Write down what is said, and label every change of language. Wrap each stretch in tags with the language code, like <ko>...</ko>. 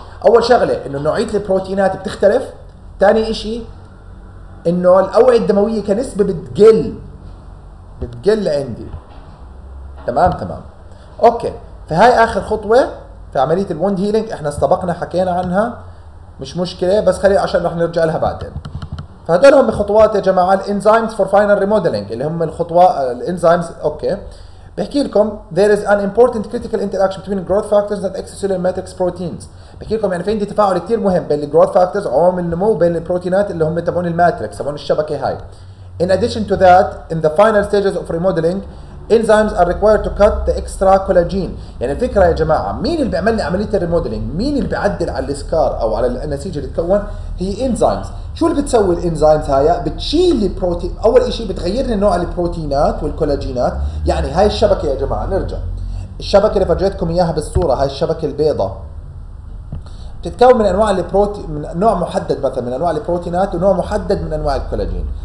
<ar>اول شغله انه نوعيه البروتينات بتختلف، ثاني شيء انه الاوعيه الدمويه كنسبه بتقل، بتقل عندي. تمام تمام اوكي. فهي اخر خطوه في عمليه الوند هيلينج، احنا سبقنا حكينا عنها مش مشكله، بس خلي عشان رح نرجع لها بعدين. فهذول هم خطوات يا جماعه الانزيمز فور فاينل ريموديلينج، اللي هم الخطوات الانزيمز. اوكي بحكي لكم</ar> <en>there is an important critical interaction between growth factors and extracellular matrix proteins.</en> <ar>بحكي لكم يعني في عندي تفاعل كثير مهم بين الجروث فاكتورز عوامل النمو وبين البروتينات اللي هم تبعون الماتريكس تبعون الشبكه هاي.</ar> <en>In addition to that, in the final stages of remodeling, enzymes are required to cut the extra collagen.</en> <ar>يعني الفكرة يا جماعة مين اللي بيعمل لي عملية الريموديلينج؟ مين اللي بيعدل على السكار أو على النسيج اللي تكون؟ هي enzymes. شو اللي بتسوي الانزيمز هاي؟ بتشيل البروتين، أول شيء بتغير لي نوع البروتينات والكولاجينات، يعني هاي الشبكة يا جماعة نرجع. الشبكة اللي فرجيتكم إياها بالصورة، هاي الشبكة البيضاء. بتتكون من أنواع البروتين، من نوع محدد مثلا من أنواع البروتينات ونوع محدد من أنواع الكولاجين.</ar>